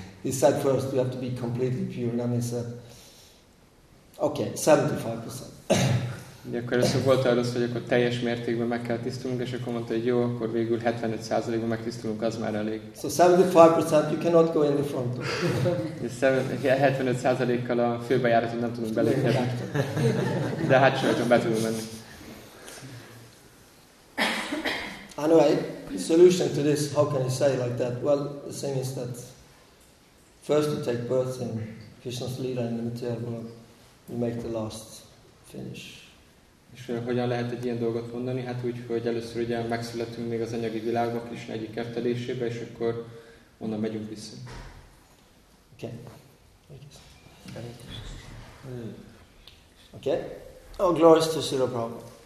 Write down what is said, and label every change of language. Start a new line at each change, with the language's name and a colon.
English: He said first, you have to be completely pure. And then he said, okay, 75%.
Hungarian: De akkor ez volt arra, hogy akkor teljes mértékben meg kell tisztulnunk, és akkor mondta, hogy jó, akkor végül 75%-ban megtisztulunk, az már elég.
English: So 75% you cannot go in the front door.
Hungarian: 75%-kal a főbejáraton nem tudunk belépni. De hát sajtom, be tudunk menni.
English: Anyway, the solution to this, how can you say like that? Well, the thing is that first you take birth in Krishna's Lila in the material world, you make the last finish.
Hungarian: És hogyan lehet egy ilyen dolgot mondani? Hát úgy, hogy először ugye megszületünk még az anyagi világban, Krishna egyik kertelésébe, és akkor onnan megyünk vissza.
English: Okay. Oh, glorious to Srila Prabhupada.